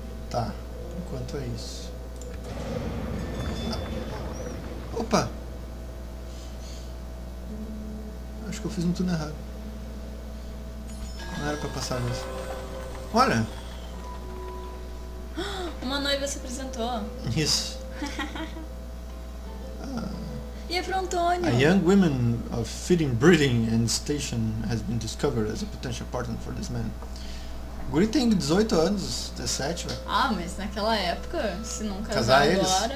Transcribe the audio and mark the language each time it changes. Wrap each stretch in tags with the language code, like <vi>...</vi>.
<pt>Tá. Enquanto é isso. Ah. Opa! Acho que eu fiz um turno errado. Não era pra passar isso. Olha! Uma noiva se apresentou. Isso. E é pro Antônio.</pt> <en>A young woman of fitting breeding and station has been discovered as a potential partner for this man.</en> <pt>O guri tem 18 anos, 17, velho. Ah, mas naquela época, se não casar agora, eles?</pt>